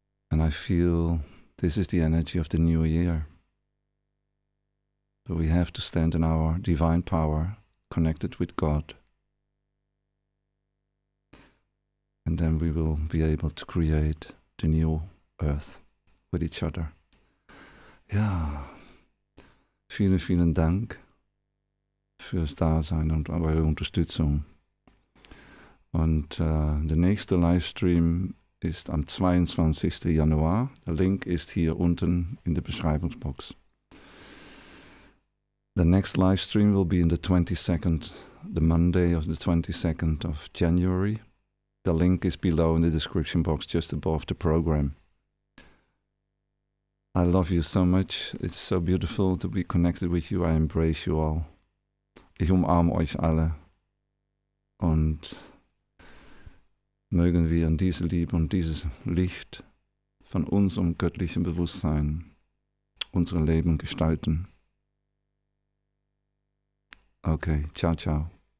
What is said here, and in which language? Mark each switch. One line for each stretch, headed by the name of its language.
English: And I feel this is the energy of the new year. So we have to stand in our divine power, connected with God. And then we will be able to create the new earth with each other.
German: Ja, vielen, vielen Dank fürs Dasein und eure Unterstützung. Und der nächste Livestream ist am 22. Januar. Der Link ist hier unten in der Beschreibungsbox.
English: The next live stream will be in the 22nd, the Monday of the 22nd of January. The link is below in the description box, just above the program. I love you so much. It's so beautiful to be connected with you. I embrace you all.
German: Ich umarme euch alle. Und mögen wir in diese Liebe und dieses Licht von unserem göttlichen Bewusstsein unser Leben gestalten. Okay, ciao, ciao.